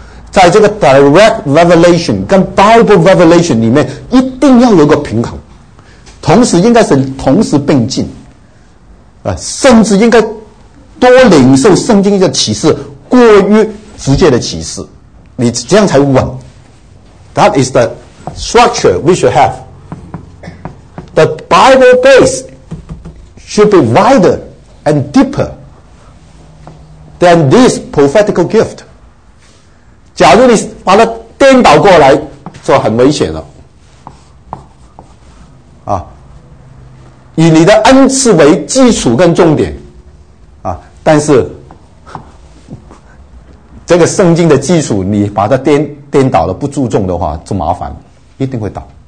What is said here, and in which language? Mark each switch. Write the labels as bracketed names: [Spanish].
[Chinese] 在这个 [English] direct revelation [Chinese] 跟 [English] Bible revelation [Chinese] 里面一定要有个平衡，同时应该是同时并进，甚至应该多领受圣经的启示过于直接的启示，你这样才稳。 [English] That is the structure we should have. The Bible base should be wider and deeper than this prophetical gift. [Chinese] 假如你把它颠倒过来，就很危险了。啊，以你的恩赐为基础跟重点，啊，但是这个圣经的基础你把它颠倒了，不注重的话就麻烦了，一定会倒。